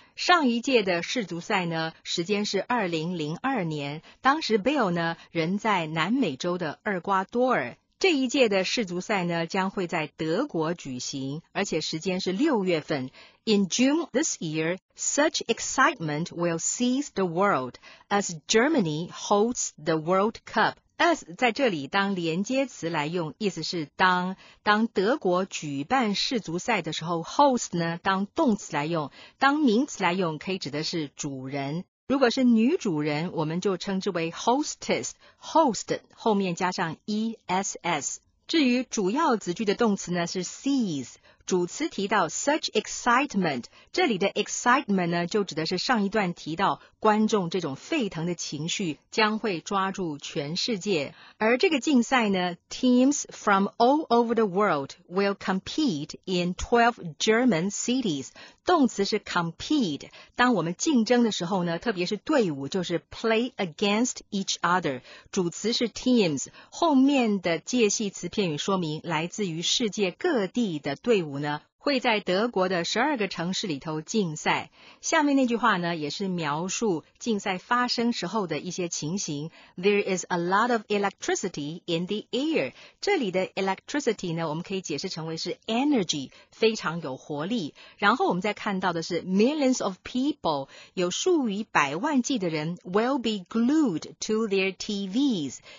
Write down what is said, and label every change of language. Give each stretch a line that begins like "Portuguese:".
Chinese: 上一届的世足赛呢时间是2002年。当时 Bill 呢人在南美洲的厄瓜多尔。这一届的世足赛呢将会在德国举行，而且时间是6月份。
English: In June this year, such excitement will seize the world as Germany holds the World Cup
Chinese: as 在这里当连接词来用，意思是当德国举办世足赛的时候 ，host 呢当动词来用，当名词来用可以指的是主人。如果是女主人，我们就称之为 hostess，host 后面加上 ess。至于主要子句的动词呢是 sees， 主词提到 such excitement， 这里的 excitement 呢就指的是上一段提到观众这种沸腾的情绪将会抓住全世界。而这个竞赛呢
English: teams from all over the world will compete in 12 German cities，
Chinese: 动词是 compete， 当我们竞争的时候呢特别是队伍就是
English: play against each other，
Chinese: 主词是 teams， 后面的介系词片语说明来自于世界各地的队伍呢会在德国的12个城市里头竞赛。下面那句话呢也是描述竞赛发生时候的一些情形。
English: There is a lot of electricity in the air.
Chinese: 这里的 electricity 呢我们可以解释成为是 energy， 非常有活力。然后我们再看到的是
English: millions of people，
Chinese: 有数以百万计的人
English: will be glued to their TVs。